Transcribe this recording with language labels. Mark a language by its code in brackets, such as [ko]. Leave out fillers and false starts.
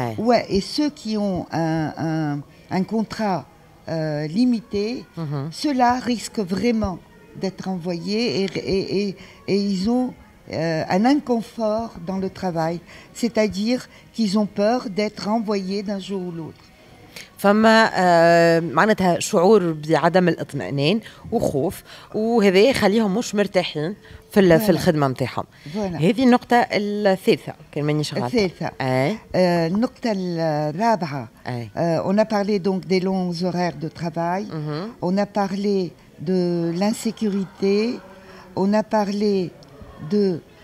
[fr] Ouais, et ceux qui ont un contrat limité, ceux-là risquent vraiment d'être envoyés et ils ont un inconfort dans le travail, c'est-à-dire qu'ils ont peur d'être envoyés d'un jour ou l'autre. [ar] فما معناتها شعور بعدم الاطمئنان وخوف، وهذا يخليهم مش مرتاحين في في الخدمه نتاعهم. هذه النقطه الثالثه كان ماني شغاله. الثالثه النقطه الرابعه [fr] on a parlé donc des longs horaires de travail, on a parlé de l'insécurité, on a parlé de